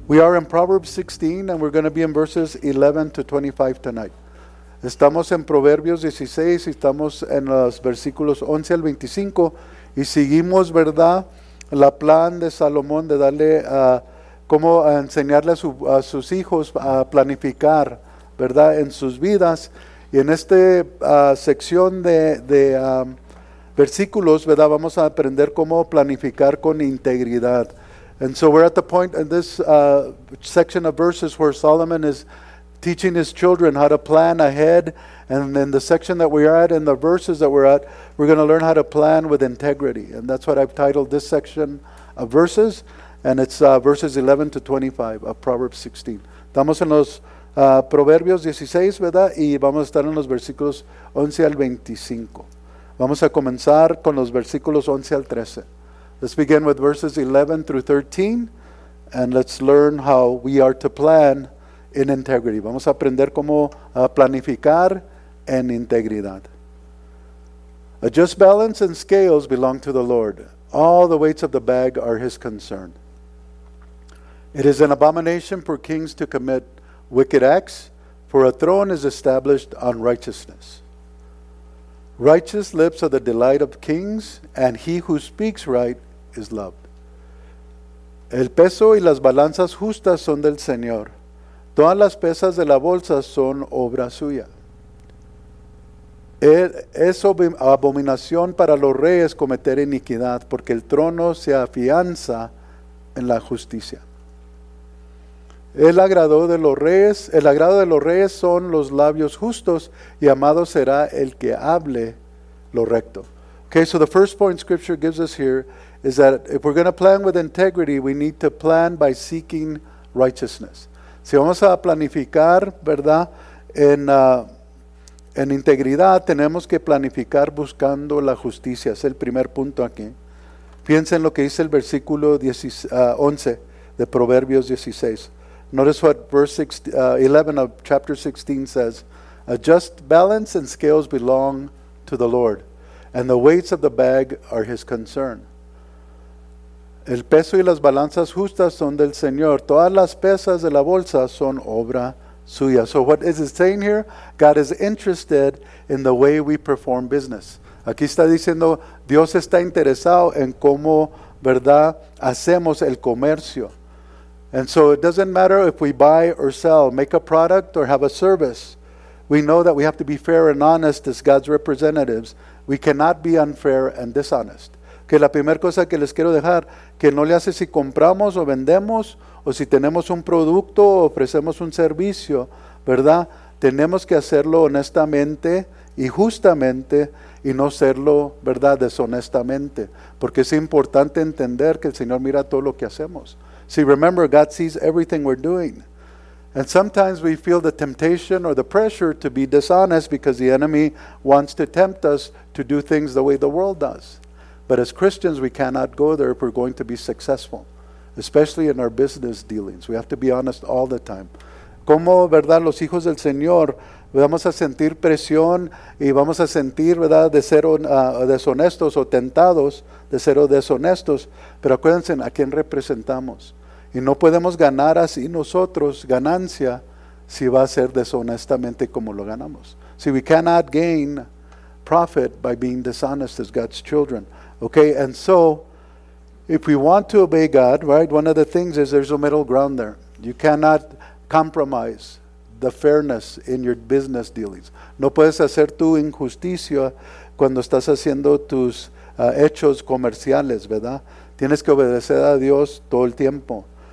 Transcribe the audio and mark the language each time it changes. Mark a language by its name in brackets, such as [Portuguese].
[English] We are in Proverbs 16, and we're going to be in verses 11 to 25 tonight. [Spanish] Estamos en Proverbios 16, estamos en los versículos 11 al 25, y seguimos, ¿verdad?, la plan de Salomón de darle a cómo enseñarle a sus hijos a planificar, ¿verdad?, en sus vidas. Y en esta sección de versículos, ¿verdad?, vamos a aprender cómo planificar con integridad. [English] And so we're at the point in this section of verses where Solomon is teaching his children how to plan ahead. And in the section that we are at, in the verses that we're at, we're going to learn how to plan with integrity. And that's what I've titled this section of verses. And it's verses 11 to 25 of Proverbs 16. [Spanish] Estamos en los Proverbios 16, ¿verdad? Y vamos a estar en los versículos 11 al 25. Vamos a comenzar con los versículos 11 al 13. [English] Let's begin with verses 11 through 13, and let's learn how we are to plan in integrity. [Spanish] Vamos a aprender cómo planificar en integridad. [English] A just balance and scales belong to the Lord. All the weights of the bag are His concern. It is an abomination for kings to commit wicked acts, for a throne is established on righteousness. Righteous lips are the delight of kings, and he who speaks right is loved. [Spanish] El peso y las balanzas justas son del Señor. Todas las pesas de la bolsa son obra suya. Es abominación para los reyes cometer iniquidad, porque el trono se afianza en la justicia. El agrado de los reyes son los labios justos, y amado será el que hable lo recto. [English] Okay, so the first point scripture gives us here is that if we're going to plan with integrity, we need to plan by seeking righteousness. [Spanish] Si vamos a planificar, ¿verdad?, en integridad, tenemos que planificar buscando la justicia. Es el primer punto aquí. Piensen lo que dice el versículo 11 de Proverbios 16. [English] Notice what verse 11 of chapter 16 says. A just balance and scales belong to the Lord, and the weights of the bag are His concern. [Spanish] El peso y las balanzas justas son del Señor. Todas las pesas de la bolsa son obra suya. [English] So what is it saying here? God is interested in the way we perform business. [Spanish] Aquí está diciendo, Dios está interesado en cómo, ¿verdad?, hacemos el comercio. [English] And so it doesn't matter if we buy or sell, make a product or have a service. We know that we have to be fair and honest as God's representatives. We cannot be unfair and dishonest. [Spanish] Que la primera cosa que les quiero dejar, que no le hace si compramos o vendemos, o si tenemos un producto o ofrecemos un servicio, ¿verdad? Tenemos que hacerlo honestamente y justamente, y no hacerlo, ¿verdad?, deshonestamente. Porque es importante entender que el Señor mira todo lo que hacemos. [English] See, remember, God sees everything we're doing. And sometimes we feel the temptation or the pressure to be dishonest because the enemy wants to tempt us to do things the way the world does. But as Christians, we cannot go there if we're going to be successful, especially in our business dealings. We have to be honest all the time. [Spanish] ¿Cómo, verdad, los hijos del Señor vamos a sentir presión y vamos a sentir, verdad, de ser deshonestos o tentados de ser deshonestos? Pero acuérdense, ¿a quién representamos? Y no podemos ganar así nosotros ganancia si va a ser deshonestamente como lo ganamos. [English] See, we cannot gain profit by being dishonest as God's children. Okay, and so, if we want to obey God, right, one of the things is there's a middle ground there. You cannot compromise the fairness in your business dealings. [Spanish] No puedes hacer tu injusticia cuando estás haciendo tus hechos comerciales, ¿verdad? Tienes que obedecer a Dios todo el tiempo.